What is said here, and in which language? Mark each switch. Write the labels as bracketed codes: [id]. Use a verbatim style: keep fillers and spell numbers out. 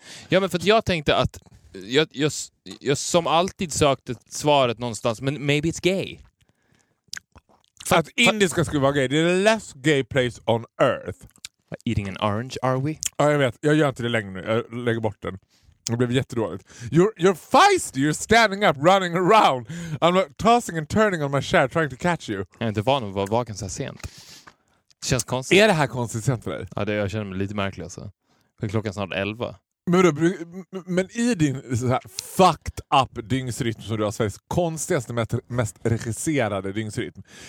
[sv] Ja, men för att jag tänkte att jag, jag, jag som alltid sökte svaret någonstans, men [en] maybe it's gay. [sv] För att indiska skulle vara gay. Det är [en] the less gay place on earth. Eating an orange, are we? [sv] Ja, jag vet. Jag gör inte det längre nu. Jag lägger bort den. Det blev jättedåligt. [en] You're, you're feisty, you're standing up, running around. I'm like, tossing and turning on my chair, trying to catch you. [sv] Jag är inte van att vara vaken så här sent. Det känns konstigt. Är det här konstigt sent för dig? Ja, det, jag känner mig lite märklig alltså. För klockan snart elva. Men, då, men i din så här fucked up dygnsrytm som du har, Sveriges konstigaste, mest regisserade dygnsrytm.